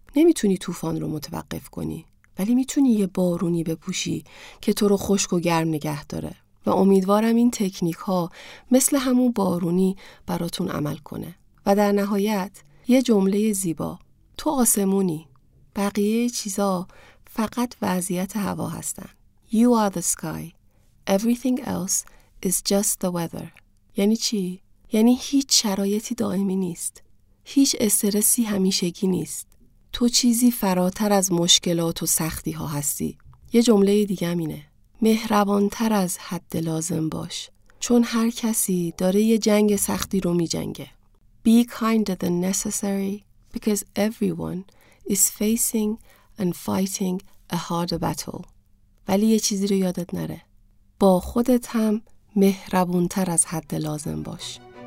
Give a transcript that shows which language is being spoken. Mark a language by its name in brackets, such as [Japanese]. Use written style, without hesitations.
[Persian] نمیتونی طوفان رو متوقف کنی، ولی میتونی یه بارونی بپوشی که تو رو خشک و گرم نگه داره. و امیدوارم این تکنیک ها مثل همون بارونی براتون عمل کنه. و در نهایت یه جمله زیبا: تو آسمونی، بقیه چیزا فقط وضعیت هوا هستن. [English] You are the sky, everything else is just the weather. [Persian] یعنی چی؟ یعنی هیچ شرایطی دائمی نیست، هیچ استرسی همیشگی نیست، تو چیزی فراتر از مشکلات و سختی ها هستی. یه جمله دیگه اینه: مهربانتر از حد لازم باش، چون هر کسی داره یه جنگ سختی رو می جنگه. [English] Be kinder than necessary because everyone is facing and fighting a hard battle. [Persian] ولی یه چیزی رو یادت نره، با خودت هم مهربونتر از حد لازم باش.